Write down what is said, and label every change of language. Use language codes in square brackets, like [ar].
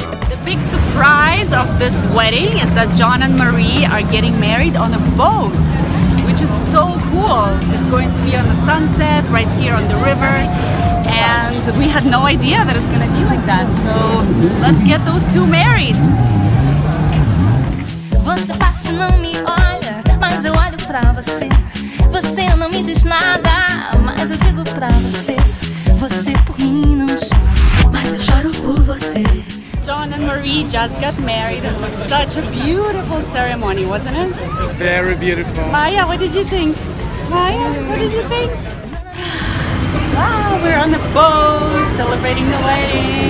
[en] The big surprise of this wedding is that John and Marie are getting married on a boat. So cool! It's going to be on the sunset right here on the river, and we had no idea that it's going to be like that. So let's get those two married. [pt] Você passa, não me olha, mas eu olho pra você. Você não me diz nada, mas eu digo pra você. Você por mim não chora, mas eu choro por você. [en] John and Marie just got married. It was such a beautiful ceremony, wasn't it? Very beautiful. Maya, what did you think? Maya, what did you think? Wow, we're on the boat celebrating the wedding.